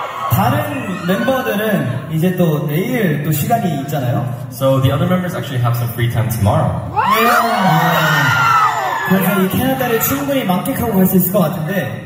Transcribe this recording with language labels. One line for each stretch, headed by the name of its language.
Korean: 다른 멤버들은 이제 또 내일 또 시간이 있잖아요.
English: So the other members actually have some free time tomorrow. Yeah.
Korean: 그래서 이 캐나다를 충분히 만끽하고 갈 수 있을 것 같은데.